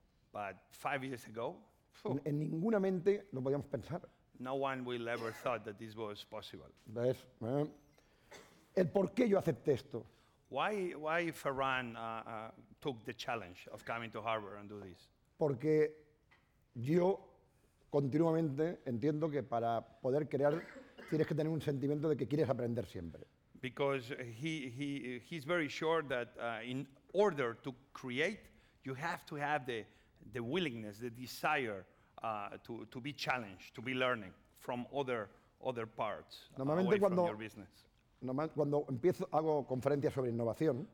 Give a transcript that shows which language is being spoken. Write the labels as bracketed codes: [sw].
[en] But 5 years ago, [es] en ninguna mente lo podíamos pensar. [en] No one will ever thought that this was possible. [es] ¿Ves? El por qué yo acepté esto. [en] Why Ferran took the challenge of coming to Harvard and do this? [es] Porque yo continuamente entiendo que para poder crear tienes que tener un sentimiento de que quieres aprender siempre. [en] Because he's very sure that in order to create, you have to have the willingness, the desire to be challenged, to be learning from other parts [es] normalmente [en] away [es] cuando, [en] from your business. [es] Normalmente cuando empiezo hago conferencias sobre innovación.